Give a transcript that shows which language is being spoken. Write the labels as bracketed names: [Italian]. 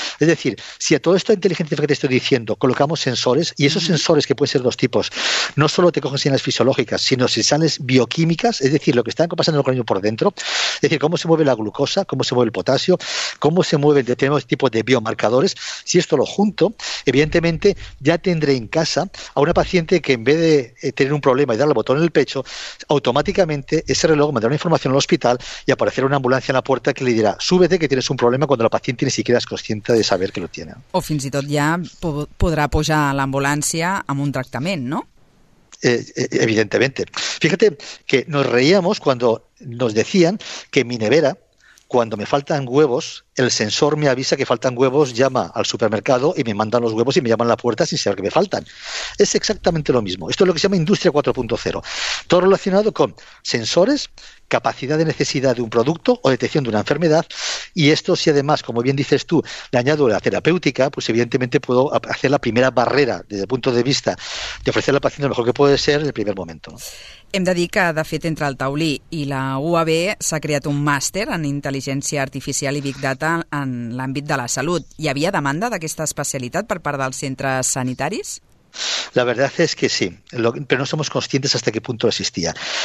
[Spanish] Es decir, si a todo esto de inteligencia que te estoy diciendo colocamos sensores, y esos sensores que pueden ser dos tipos, no solo te cogen señales fisiológicas, sino señales bioquímicas, es decir, lo que está pasando en el organismo por dentro, es decir, cómo se mueve la glucosa, cómo se mueve el potasio, cómo se mueven determinados tipos de biomarcadores, si esto lo junto, evidentemente ya tendré en casa a una paciente que en vez de tener un problema y darle el botón en el pecho, automáticamente ese reloj mandará una información al hospital y aparecerá una ambulancia en la puerta que le dirá, súbete que tienes un problema cuando la paciente ni siquiera es consciente de saber que lo tiene. [Catalan] O fins i tot ja podrà pujar a l'ambulància amb un tractament, ¿no? [Spanish] Evidentemente. Fíjate que nos reíamos cuando nos decían que mi nevera, cuando me faltan huevos, el sensor me avisa que faltan huevos, llama al supermercado y me mandan los huevos y me llaman a la puerta sin saber que me faltan. Es exactamente lo mismo. Esto es lo que se llama Industria 4.0. Todo relacionado con sensores, capacidad de necesidad de un producto o detección de una enfermedad. Y esto, si además, como bien dices tú, le añado la terapéutica, pues evidentemente puedo hacer la primera barrera desde el punto de vista de ofrecer al paciente lo mejor que puede ser en el primer momento. [Catalan] Hem de dir que, de fet, entre el Taulí i la UAB s'ha creat un màster en intel·ligència artificial i Big Data en l'àmbit de la salut. Hi havia demanda d'aquesta especialitat per part dels centres sanitaris? [Spanish] La verdad es que sí, pero no somos conscientes hasta qué punto existía.